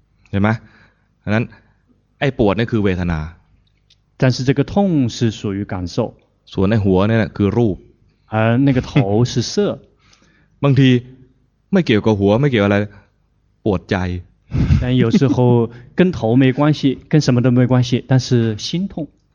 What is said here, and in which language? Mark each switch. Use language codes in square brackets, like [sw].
[th] เห็นไหมนั้นไอ้ปวดนี่คือเวทนา [zh] 但是这个痛是属于感受 [th] ส่วนไอ้หัวนี่คือรูป [zh] 而那个头是色 [th] บางทีไม่เกี่ยวกับหัวไม่เกี่ยวอะไรปวดใจ [zh] 但有时候跟头没关系跟什么都没关系但是心痛